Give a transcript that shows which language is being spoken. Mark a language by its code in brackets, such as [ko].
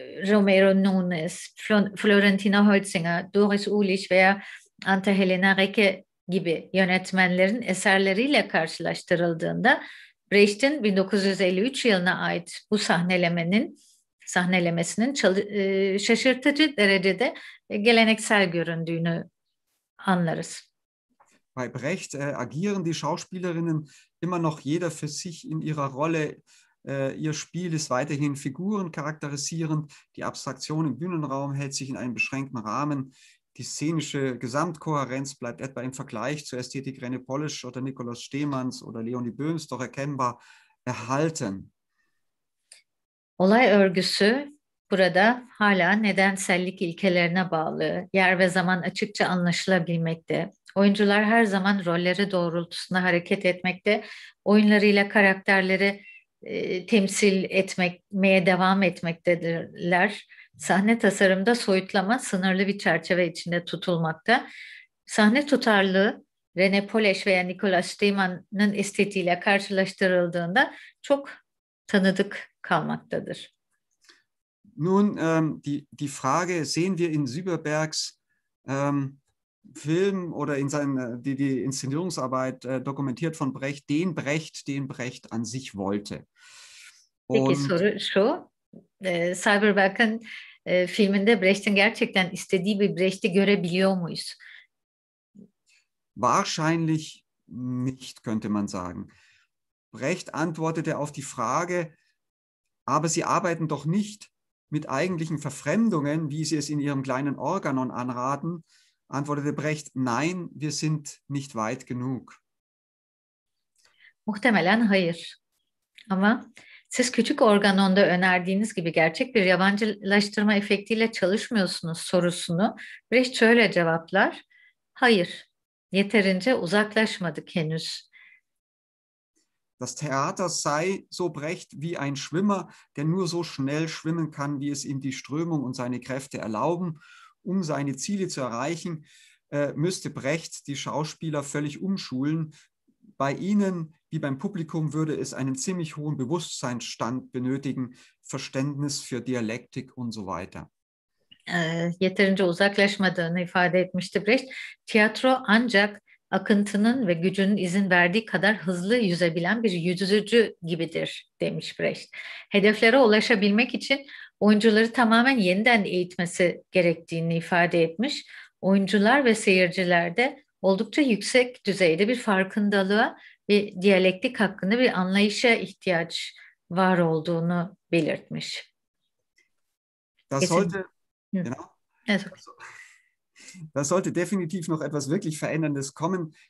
[tr] Romero Nunes, Florentina Holzinger, Doris Uhlig veya Anta-Helena Recke gibi yönetmenlerin eserleriyle karşılaştırıldığında Brecht'in 1953 yılına ait bu sahnelemesinin şaşırtıcı derecede geleneksel göründüğünü anlarız. [de] Bei Brecht agieren die Schauspielerinnen immer noch jeder für sich in ihrer Rolle. Ihr Spiel ist weiterhin Figuren charakterisierend. Die Abstraktion im Bühnenraum hält sich in einem beschränkten Rahmen. Die szenische Gesamtkohärenz bleibt etwa im Vergleich zur Ästhetik René Polisch oder Nikolaus Stehmanns oder Leonie Böhms doch erkennbar erhalten. [tr] Olay örgüsü burada hala nedensellik ilkelerine bağlı, yer ve zaman açıkça anlaşılabilmekte. Oyuncular her zaman rolleri doğrultusunda hareket etmekte, oyunlarıyla karakterleri temsil etmeye devam etmektedirler. Sahne tasarımda soyutlama sınırlı bir çerçeve içinde tutulmakta. Sahne tutarlığı René Polisch veya Nicolas Stemann'ın estetiğiyle karşılaştırıldığında çok tanıdık kalmaktadır. [de] Nun, die Frage sehen wir in Süberbergs Film oder in seiner die Inszenierungsarbeit dokumentiert von Brecht, den Brecht an sich wollte. [tr] Peki, soru şu. Cyberberg'in filminde Brecht'in gerçekten istediği bir Brecht'i görebiliyor muyuz? [de] Wahrscheinlich nicht, könnte man sagen. Brecht antwortete auf die Frage, aber sie arbeiten doch nicht mit eigentlichen Verfremdungen, wie sie es in ihrem kleinen Organon anraten, antwortete Brecht, nein, wir sind nicht weit genug. [tr] Muhtemelen hayır. Ama siz küçük organonda önerdiğiniz gibi gerçek bir yabancılaştırma efektiyle çalışmıyorsunuz sorusunu Brecht şöyle cevaplar. Hayır, yeterince uzaklaşmadık henüz. [de] Das Theater sei so Brecht wie ein Schwimmer, der nur so schnell schwimmen kann, wie es ihm die Strömung und seine Kräfte erlauben. Um seine Ziele zu erreichen, müsste Brecht die Schauspieler völlig umschulen. Bei ihnen, wie beim Publikum, würde es einen ziemlich hohen Bewusstseinsstand benötigen, Verständnis für Dialektik und so weiter. [tr] Yeterince uzaklaşmadığını ifade etmişti Brecht. Tiyatro ancak akıntının ve gücünün izin verdiği kadar hızlı yüzebilen bir yüzücü gibidir, demiş Brecht. Hedeflere ulaşabilmek için oyuncuları tamamen yeniden eğitmesi gerektiğini ifade etmiş. Oyuncular ve seyirciler de oldukça yüksek düzeyde bir farkındalığa bir diyalektik hakkında bir anlayışa ihtiyaç var olduğunu belirtmiş. [de] Das sollte definitiv noch etwas wirklich Veränderndes kommen.